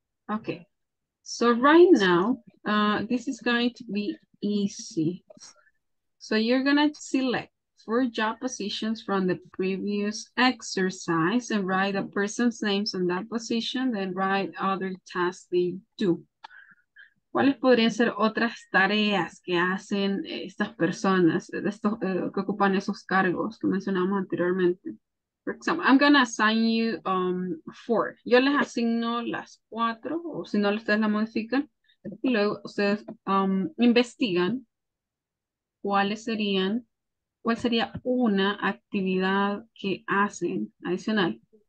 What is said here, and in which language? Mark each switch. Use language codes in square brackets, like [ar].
[en] Okay, so right now, this is going to be easy. So you're gonna select four job positions from the previous exercise and write a person's names on that position, then write other tasks they do. [es] ¿Cuáles podrían ser otras tareas que hacen estas personas, estos, que ocupan esos cargos que mencionamos anteriormente? [en] For example, I'm going to assign you four. [es] Yo les asigno las cuatro, o si no, ustedes la modifican. Y luego ustedes investigan cuáles serían, cuál sería una actividad que hacen adicional.